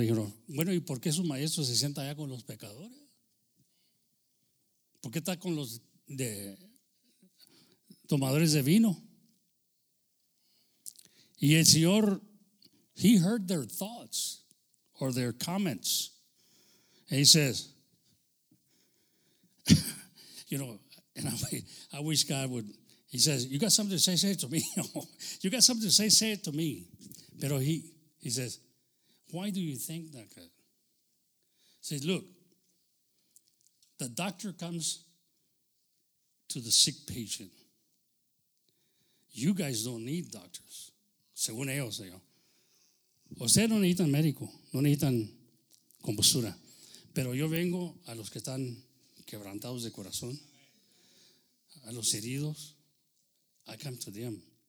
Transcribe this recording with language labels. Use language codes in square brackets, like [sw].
[es] Dijeron, bueno, ¿y por qué su maestro se sienta allá con los pecadores? ¿Por qué está con los de tomadores de vino? Y el Señor, [en] he heard their thoughts or their comments. And he says, you know, and I wish God would, he says, you got something to say, say it to me. You got something to say, say it to me. Pero he says, why do you think that? He says, look, the doctor comes to the sick patient. You guys don't need doctors. [es] Según ellos, ustedes no necesitan médico, no necesitan compostura. Pero yo vengo a los que están quebrantados de corazón, a los heridos. [en] I come to them.